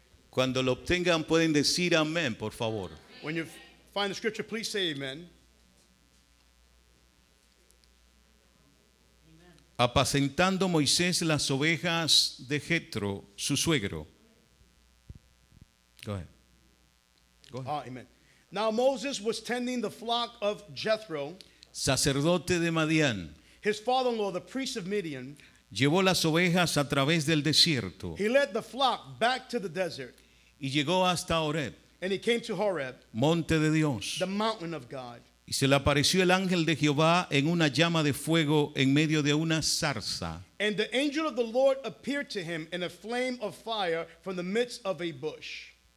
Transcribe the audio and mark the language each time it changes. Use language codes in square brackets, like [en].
[es] Cuando lo obtengan, pueden decir amén, por favor. [en] When you find the scripture, please say amen. [es] Apacentando Moisés las ovejas de Jetro, su suegro. [en] Go ahead. Go ahead. Amen. Now Moses was tending the flock of Jethro, [es] sacerdote de Madian. [en] His father-in-law, the priest of Midian, [es] llevó las ovejas a través del desierto. [en] He led the flock back to the desert. [es] Y llegó hasta Horeb. [en] And he came to Horeb, [es] monte de Dios, [en] the mountain of God. [es] Y se le apareció el ángel de Jehová en una llama de fuego en medio de una zarza. [en] And the angel of the Lord appeared to him in a flame of fire from the midst of a bush.